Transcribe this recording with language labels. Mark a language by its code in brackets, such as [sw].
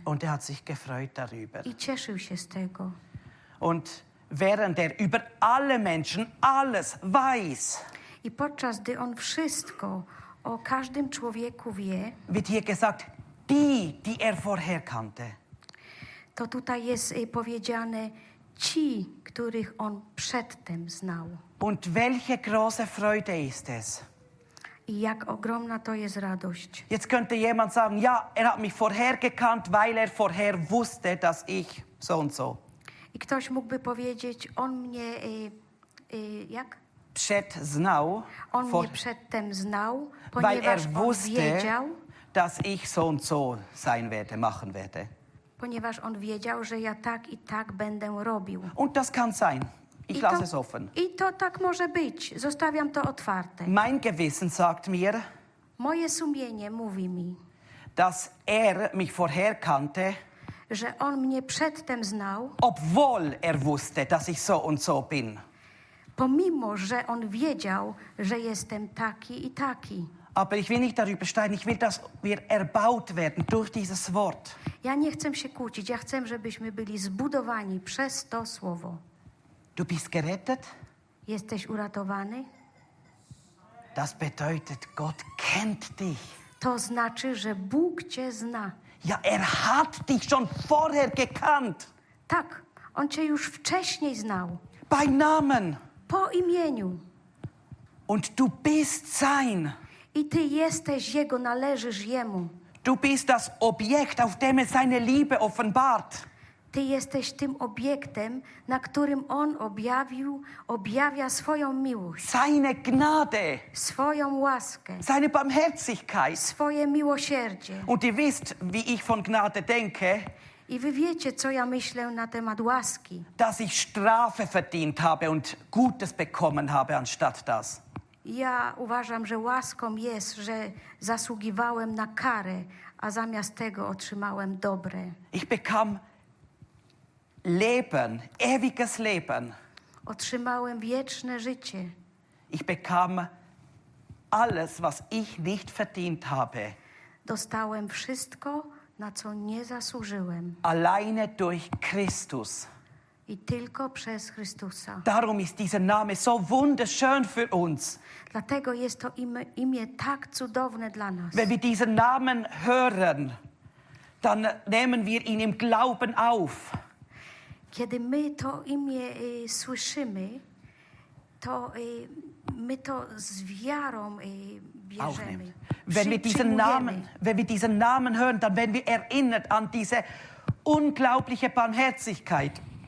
[de] Und er hat sich gefreut darüber. [pl] I cieszył się z tego. [de] Und während er über alle Menschen alles weiß. [pl] I podczas gdy on wszystko o każdym człowieku wie. [de] Wird hier gesagt, die er vorher kannte. [pl] To tutaj jest powiedziane ci, których on przedtem znał. [de] Und welche große Freude ist es? [pl] I jak ogromna to jest radość. [de] Jetzt könnte jemand sagen, ja, er hat mich vorher gekannt, weil er vorher wusste, dass ich so und so. [pl] I ktoś mógłby powiedzieć, on mnie jak? Przed znał. On mnie przedtem znał, ponieważ [de] er wusste, [pl] on wiedział, [de] dass ich so und so sein werde, machen werde. [pl] Ponieważ on wiedział, że ja tak i tak będę robił. [de] Und das kann sein. Ich lasse es offen. [pl] I to tak może być. Zostawiam to otwarte. [de] Mein Gewissen sagt mir, [pl] moje sumienie mówi mi, [de] dass er mich vorher kannte, [pl] że on mnie przedtem znał, [de] obwohl er wusste, dass ich so und so bin. [pl] Pomimo, że on wiedział, że jestem taki i taki. [de] Aber ich will nicht darüber streiten, ich will, dass wir erbaut werden durch dieses Wort. [pl] Ja nie chcę się kłócić, ja chcę, żebyśmy byli zbudowani przez to słowo. [de] Du bist gerettet? [pl] Jesteś uratowany? [de] Das bedeutet, Gott kennt dich. [pl] To znaczy, że Bóg cię zna. [de] Ja, hat dich schon vorher gekannt. [pl] Tak, on cię już wcześniej znał. [de] Bei Namen. [pl] Po imieniu. [de] Und du bist sein. [pl] I ty jesteś jego, należysz jemu. [de] Du bist das Objekt, auf dem er seine Liebe offenbart. [pl] Ty jesteś tym obiektem, na którym on objawia swoją miłość. [de] Seine Gnade. [pl] Swoją łaskę. [de] Seine Barmherzigkeit. [pl] Swoje miłosierdzie. [de] Und ihr wisst, wie ich von Gnade denke. [pl] I wy wiecie, co ja myślę na temat łaski. [de] Dass ich Strafe verdient habe und Gutes bekommen habe anstatt das. [pl] Ja uważam, że łaską jest, że zasługiwałem na karę, a zamiast tego otrzymałem dobre. [de] Ich bekam Leben, ewiges Leben. [pl] Otrzymałem wieczne życie. [de] Ich bekam alles, was ich nicht verdient habe. [pl] Dostałem wszystko, na co nie zasłużyłem. [de] Alleine durch Christus. [pl] I tylko przez Chrystusa. [de] Darum ist dieser Name so wunderschön für uns. [pl] Dlatego jest to imię tak cudowne dla nas. [de] Wenn wir diesen Namen hören, dann nehmen wir ihn im Glauben auf. [pl] Kiedy my to imię słyszymy, to my to z wiarą bierzemy. [de] Wenn wir diesen Namen hören, dann werden wir erinnert an diese unglaubliche Barmherzigkeit.